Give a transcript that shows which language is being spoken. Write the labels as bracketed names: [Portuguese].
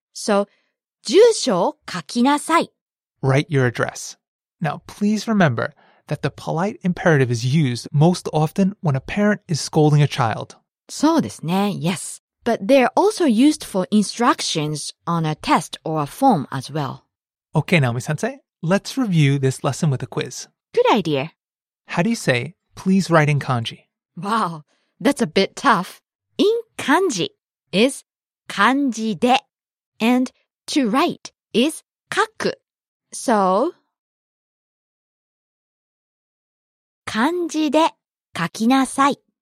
[Japanese] So, 住所を書きなさい。 [English] Write your address. Now, please remember that the polite imperative is used most often when a parent is scolding a child. [Japanese] そうですね、 [English] yes. But they're also used for instructions on a test or a form as well. Okay, Naomi-sensei, let's review this lesson with a quiz. Good idea. How do you say, please write in kanji? Wow, that's a bit tough. In kanji is kanji de, and to write is kaku. [Japanese] So, 漢字で書きなさい。